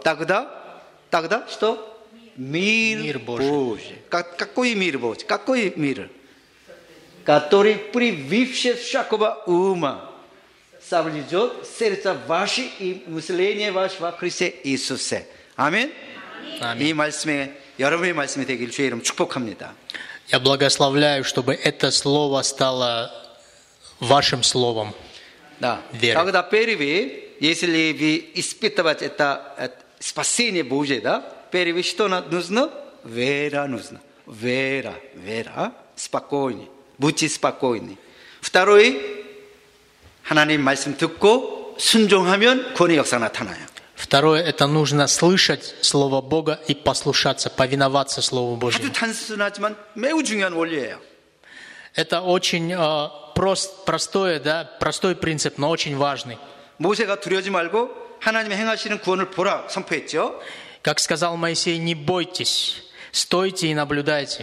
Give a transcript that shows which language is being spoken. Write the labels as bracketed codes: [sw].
[ru] Тогда что? Мир Божий. Божий. Какой мир Божий? Какой мир? Который превыше всякого ума соблюдет сердца ваши и мысления ваши во Христе Иисусе. Аминь. [ko] 이 말씀에 여러분의 말씀이 되길 주의 이름 축복합니다. [ru] Я благословляю, чтобы это слово стало вашим словом. [ko] 나. 그러다 베리비 [ru] если вы испытывать это спасение Божие, да? Первое что нужно? Вера нужна. вера, вера, спокойный, будьте спокойны. [ko] Второй, 하나님 말씀 듣고 순종하면 권위 역사 나타나요. [ru] Второе, это нужно слышать Слово Бога и послушаться, повиноваться Слову Божьему. [ko] 아주 단순하지만 매우 중요한 원리예요. [ru] Это очень простое, да, простой принцип, но очень важный. [ko] 모세가 두려워하지 말고 하나님의 행하시는 구원을 보라 선포했죠. [ru] Как сказал Моисей, не бойтесь, стойте и наблюдайте.